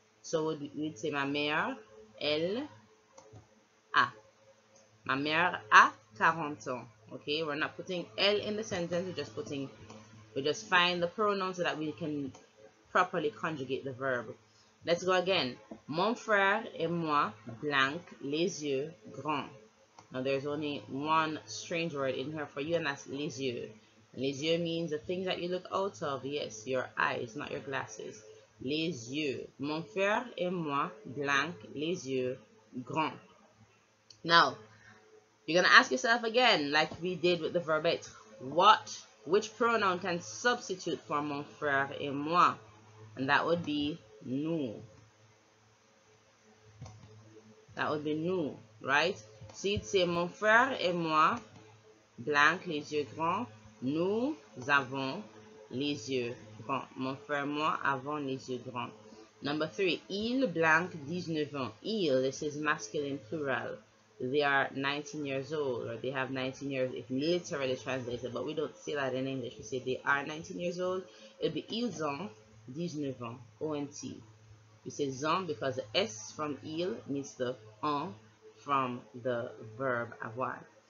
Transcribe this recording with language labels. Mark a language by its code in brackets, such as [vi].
[en] So we'd say [fr] mamère, elle a. Mamère a 40 ans. [en] Okay, we're not putting elle in the sentence, we're just putting, we just find the pronoun so that we can properly conjugate the verb. Let's go again. [fr] Mon frère et moi, blank, les yeux, grand. [en] Now there's only one strange word in here for you, and that's [fr] les yeux. Les yeux [en] means the things that you look out of. Yes, your eyes, not your glasses. [fr] Les yeux. Mon frère et moi, blank, les yeux, grand. [en] Now, you're going to ask yourself again, like we did with the verb être. Which pronoun can substitute for [fr] mon frère et moi? [en] And that would be nous. That would be nous, right? So you'd say [fr] mon frère et moi, blank, les yeux grands. Nous avons les yeux grands. Mon frère et moi avons les yeux grands. [en] Number three, [fr] il blank 19 ans. [en] Il, this is masculine plural. They are 19 years old, or they have 19 years, if literally translated, but we don't say that in English. We say they are 19 years old. It'd be [fr] ils ont 19 ans, [en] O-N-T. We say ont because the S from il means the en from the verb avoir.